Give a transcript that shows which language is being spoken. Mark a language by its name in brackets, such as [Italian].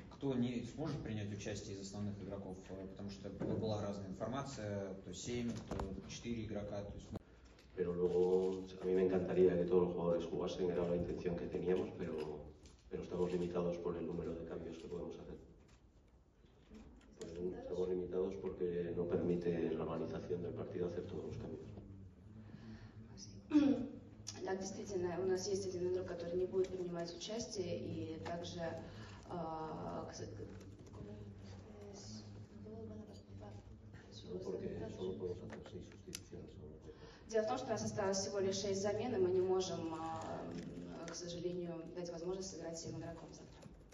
[Russian] Кто не сможет принять участие из основных игроков, потому что была разная информация, то 7, то 4 игрока. [Spanish] Pero luego a mí me encantaría que todos los jugadores jugasen, era la intención que teníamos, pero estamos limitados por el número de cambios que podemos hacer. Estamos limitados porque no permite la organización del partido hacer todos los cambios. [Russian] Да, действительно, у нас есть один игрок, который не будет принимать участие, и также дело в том, что у нас осталось всего лишь 6 замен, и мы не можем, к сожалению, дать возможность сыграть 7 игроков завтра.